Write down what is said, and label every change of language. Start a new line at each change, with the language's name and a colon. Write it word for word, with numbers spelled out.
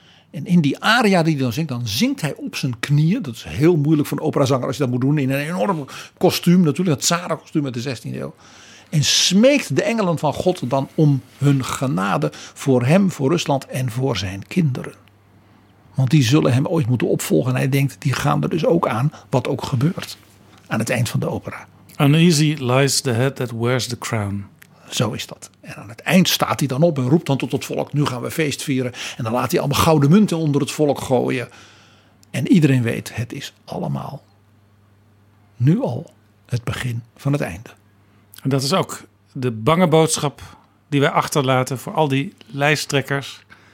Dutch: En in die aria die hij dan zingt, dan zingt hij op zijn knieën. Dat is heel moeilijk voor een operazanger als je dat moet doen. In een enorm kostuum natuurlijk, dat tsaren kostuum uit de zestiende eeuw. en smeekt de engelen van God dan om hun genade voor hem, voor Rusland en voor zijn kinderen. Want die zullen hem ooit moeten opvolgen. En hij denkt, die gaan er dus ook aan, wat ook gebeurt. Aan het eind van de opera.
English: Uneasy lies the head that wears the crown.
Dutch: Zo is dat. En aan het eind staat hij dan op en roept dan tot het volk, nu gaan we feest vieren. En dan laat hij allemaal gouden munten onder het volk gooien. En iedereen weet, het is allemaal nu al het begin van het einde. En dat is ook de bange boodschap die wij achterlaten voor al die lijsttrekkers.